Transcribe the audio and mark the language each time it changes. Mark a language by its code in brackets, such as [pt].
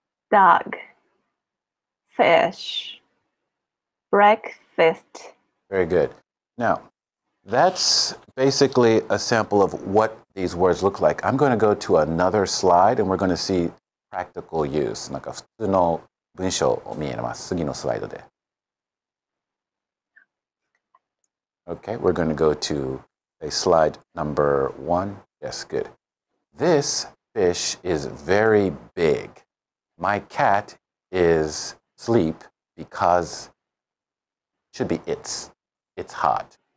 [en] Dog. Fish. Breakfast. Very good. Now, that's basically a sample of what these words look like. I'm going to go to another slide and we're going to see practical use. [ja] なんか普通の文章を見えます。次のスライドで。 [en] Okay, we're going to go to a slide number one. Yes, good. This fish is very big. My cat is... Sleep because should be it's hot.